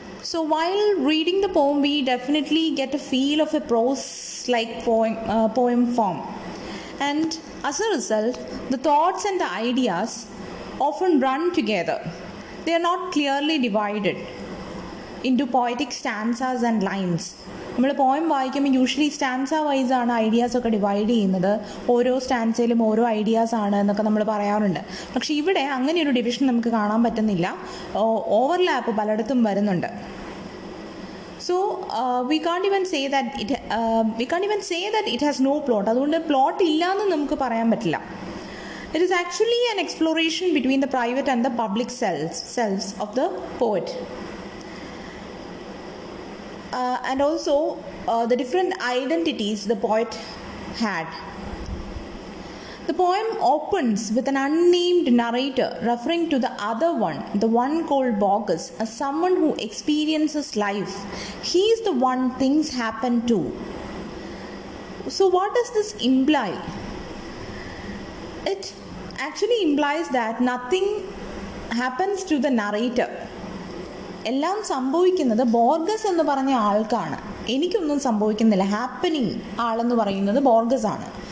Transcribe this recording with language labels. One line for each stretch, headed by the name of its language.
English: So while reading the poem, we definitely get a feel of a prose-like poem form. And as a result, the thoughts and the ideas often run together. They are not clearly divided into poetic stanzas and lines.
Malayalam: നമ്മൾ poem വായിക്കുമ്പോൾ usually stanza vice ആണ് ഐഡിയാസൊക്കെ divide ചെയ്യുന്നത്. ഓരോ സ്റ്റാൻസയിലും ഓരോ ideas ആണ് എന്നൊക്കെ നമ്മൾ പറയാറുണ്ട്. പക്ഷെ ഇവിടെ അങ്ങനെ ഒരു ഡിവിഷൻ നമുക്ക് കാണാൻ പറ്റുന്നില്ല. ഓവർലാപ്പ് പലയിടത്തും വരുന്നുണ്ട്.
English: So we can even say that it has no plot.
Malayalam: അതുകൊണ്ട് പ്ലോട്ട് ഇല്ലയെന്ന് നമുക്ക് പറയാൻ പറ്റില്ല.
English: It is actually an exploration between the private and the public selves of the poet. And also the different identities the poet had. The poem opens with an unnamed narrator referring to the other one, the one called Borges, as someone who experiences life. He is the one things happen to. So what does this imply? It actually implies that nothing happens to the narrator.
Malayalam: എല്ലാം സംഭവിക്കുന്നത് Borges എന്ന് പറഞ്ഞ ആൾക്കാണ്. എനിക്കൊന്നും സംഭവിക്കുന്നില്ല. Happening ആളെന്ന് പറയുന്നത് Borges ആണ്.